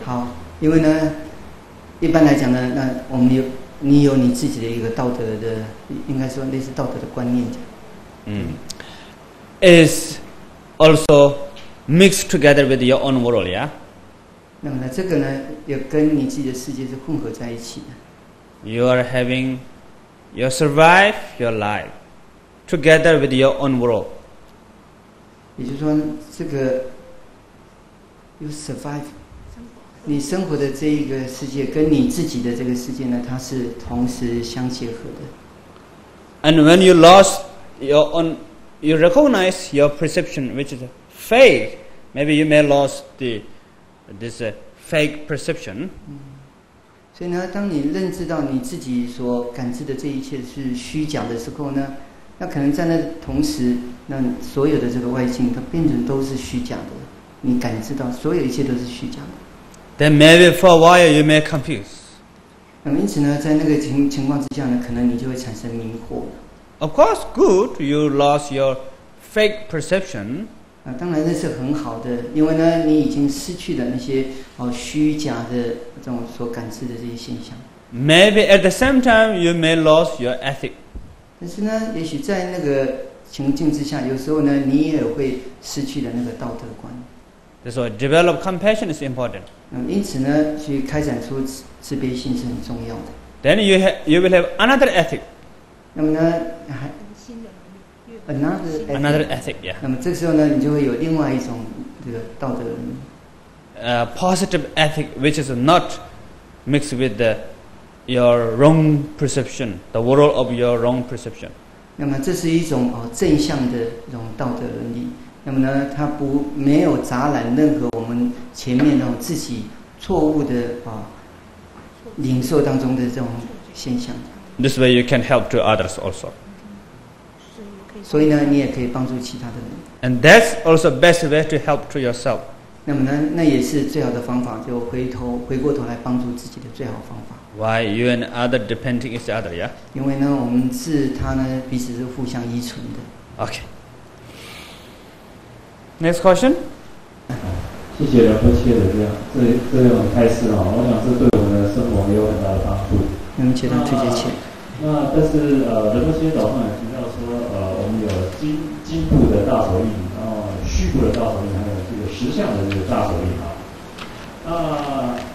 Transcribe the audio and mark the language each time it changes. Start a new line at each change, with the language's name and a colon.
Chinese: 好，因为呢，一般来讲呢，那我们有，你有你自己的一个道德的，应该说类似道德的观念。
English: Is also mixed together with your own world, yeah?
Chinese: 那么呢，这个呢，也跟你自己的世界是混合在一起的。
English: You are having your survive your life together with your own world。
Chinese: 也就是说，这个
English: you survive
Chinese: 你生活的这一个世界跟你自己的这个世界呢，它是同时相结合的。
English: And when you lost your own, you recognize your perception, which is fake. Maybe you may lost the. This is a fake perception.
Chinese: 所以呢，当你认知到你自己所感知的这一切是虚假的时候呢，那可能在那同时，那所有的这个外境它变成都是虚假的。你感知到所有一切都是虚假的。
English: Then maybe for a while you may confuse.
Chinese: 那么因此呢，在那个情况之下呢，可能你就会产生迷惑。
English: Of course, good. You lost your fake perception.
Chinese: 当然这是很好的，因为呢，你已经失去了那些虚假的这种所感知的这些现象。
English: Maybe at the same time you may lose your ethic.
Chinese: 但是呢，也许在那个情境之下，有时候呢，你也会失去了那个道德观。
English: That's why develop compassion is important.
Chinese: 因此呢，去开展出慈悲心是很重要的。
English: Then you will have another ethic.
Chinese: 那么呢，还。
English: Another ethic, yeah.
Chinese: 那么这时候呢，你就会有另外一种这个道德。
English: Positive ethic, which is not mixed with your wrong perception, the world of your wrong perception.
Chinese: 那么这是一种正向的这种道德伦理。那么呢，它不没有杂染任何我们前面那种自己错误的领受当中的这种现象。
English: This way, you can help to others also.
Chinese: 所以呢，你也可以帮助其他的人。
English: And that's also best way to help to yourself.
Chinese: 那么呢，那也是最好的方法，就回过头来帮助自己的最好方法。
English: Why you and other depending each other, yeah?
Chinese: 因为呢，我们是他呢，彼此是互相依存的。
English: Okay. Next question.
Chinese: 谢谢仁波切的这种开示啊，我想这对我们的生活也有很大的帮助。能接到推荐钱。那但是仁波切早上也提到说我们有金部的大手印，然后虚部的大手印，还有这个实相的这个大手印啊。